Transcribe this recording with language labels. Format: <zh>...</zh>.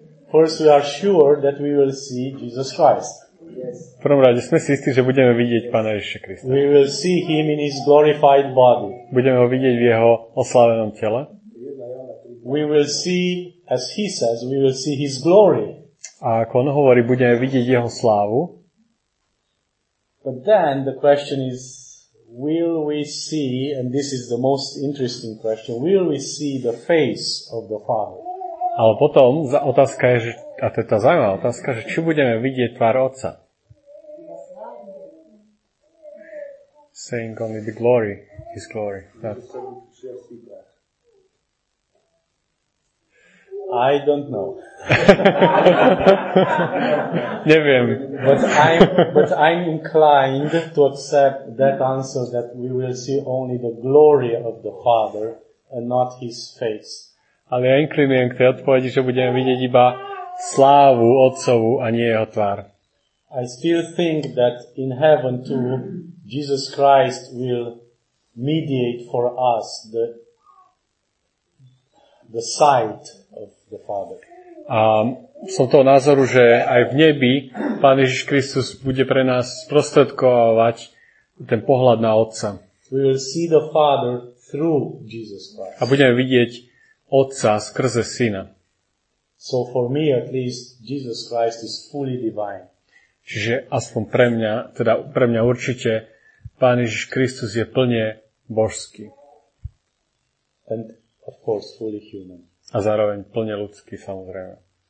<en>First, we are sure that we will see Jesus Christ.</en> <sk>Yes. V prvom rade sme si istí, že budeme vidieť Pána Ježiša Krista.</sk> <en>We will see him in his glorified body.</en> <sk>Budeme ho vidieť v jeho oslavenom tele.</sk> <en>We will see, as he says, we will see his glory.</en> <sk>A ako on hovorí, budeme vidieť jeho slávu.</sk> <en>But then the question is, will we see, and this is the most interesting question, will we see the face of the Father?</en> <sk>Ale potom otázka je, a to je tá zaujímavá otázka, že či budeme vidieť tvár Otca?</sk> <en>Saying only the glory, his glory. I don't know.</en> <sk>Neviem.</sk> <en>But I'm inclined to accept that answer that we will see only the glory of the Father and not his face.</en> <sk>Ale ja inklinujem k tej odpovedi, že budeme vidieť iba slávu Otcovu a nie jeho tvár.</sk> <en>I still think that in heaven too Jesus Christ will mediate for us the sight of the Father.</en> <sk>Som toho názoru, že aj v nebi Pán Ježiš Kristus bude pre nás sprostredkovať ten pohľad na Otca.</sk> <en>We will see the Father through Jesus Christ.</en> <sk>A budeme vidieť Otca skrze Syna.</sk> <en>So for me at least Jesus Christ is fully divine.</en> <sk>Čiže aspoň pre mňa, teda pre mňa určite Pán Ježiš Kristus je plne božský.</sk> <en>And of course fully human.</en> <sk>A zároveň plne ľudský, samozrejme.</sk>